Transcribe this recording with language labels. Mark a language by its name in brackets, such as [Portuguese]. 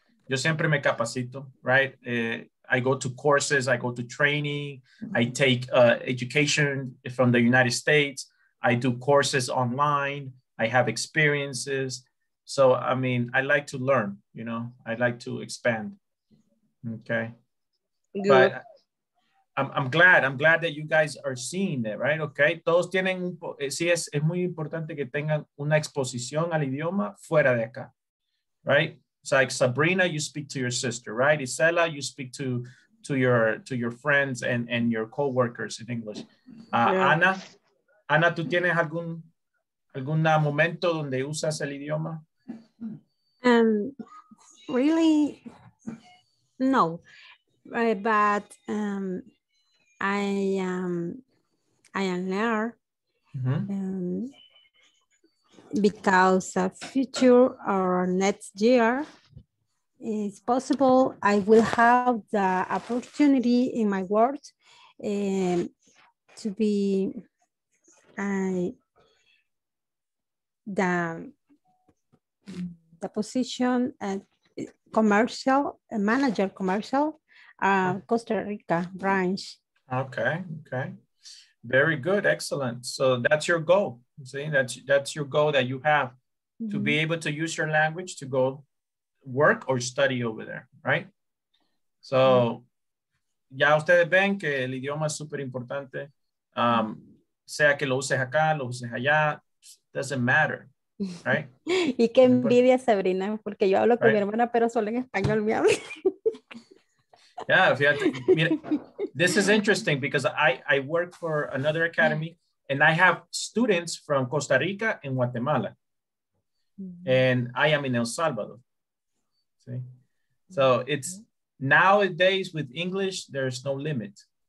[Spanish] Yo siempre me capacito, [English] right? I go to courses, I go to training, I take education from the United States, I do courses online, I have experiences. So, I like to learn, you know, I like to expand. Okay. Good. But I'm glad that you guys are seeing it, right? Okay. [Spanish] Todos tienen, sí, es muy importante que tengan una exposición al idioma fuera de acá, right? [English] It's like Sabrina, you speak to your sister, right? Isela, you speak to your friends and your co-workers in English. [Spanish] Ana, ¿tú tienes algún momento donde usas el idioma? [English] really no, but I am there. Mm-hmm. Because a future or next year is possible, I will have the opportunity in my world to be the position at commercial manager commercial Costa Rica branch. Okay. Very good, excellent. So that's your goal. See, that's your goal that you have, mm-hmm. to be able to use your language to go work or study over there, right? So mm-hmm. [Spanish] ya ustedes ven que el idioma es súper importante. Sea que lo uses acá, lo uses allá, [English] doesn't matter, right? [Spanish] Y qué envidia, Sabrina, porque yo hablo con right. mi hermana, pero solo en español me hablo. [English] Yeah, [Spanish] fíjate, mira, [English] this is interesting because I work for another academy and I have students from Costa Rica and Guatemala. Mm-hmm. And I am in El Salvador. See? So it's nowadays with English, there's no limit.